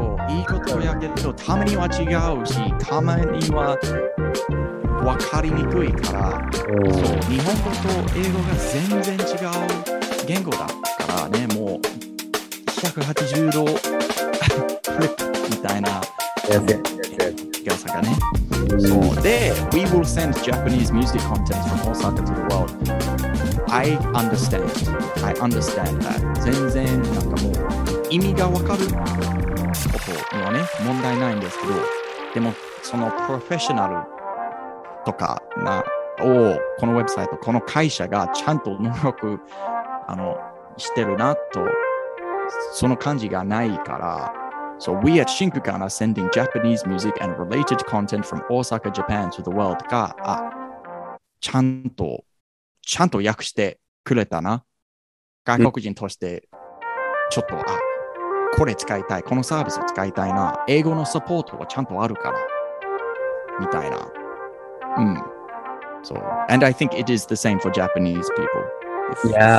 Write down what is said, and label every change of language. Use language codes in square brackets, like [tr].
[ja] いいことやけど、たまには違うし、たまには分かりにくいから、そう、日本語と英語が全然違う言語だからね、もう180度フリップみたいな。 [en] Yes. So, there, we will send Japanese music content from Osaka to the world. I understand that. [ja] 全然、なんかもう、意味がわかることにはね、問題ないんですけど、でも、そのプロフェッショナルとかを、このウェブサイト、この会社がちゃんと努力してるなと、その感じがないから、 [en] So we at Shinkukan are sending Japanese music and related content from Osaka, Japan to the world. [ja] が、ちゃんと訳してくれたな。外国人として、ちょっと、これ使いたい。このサービスを使いたいな。英語のサポートはちゃんとあるから。みたいな。 [en] So, and I think it is the same for Japanese people.